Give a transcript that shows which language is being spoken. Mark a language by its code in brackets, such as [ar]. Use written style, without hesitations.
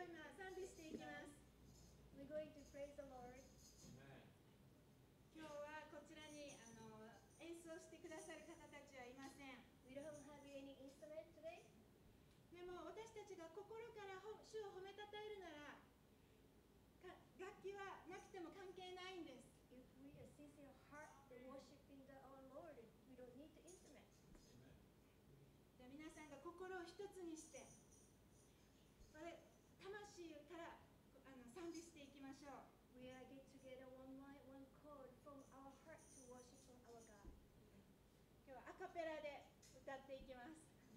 [en] going to praise the Lord. We don't have any instrument today. [ja] でも私たちが心から主を褒めたたえるなら楽器はなくても関係ないんです。 [en] If we are sincere heart worshiping the our Lord, we don't need the instrument. [ja] じゃあ皆さんが心を一つにして、それ魂から賛美していきましょう。 [en] We are get together one mind, one chord from our heart to worship our God. [ja] 今日はアカペラで歌っていきます。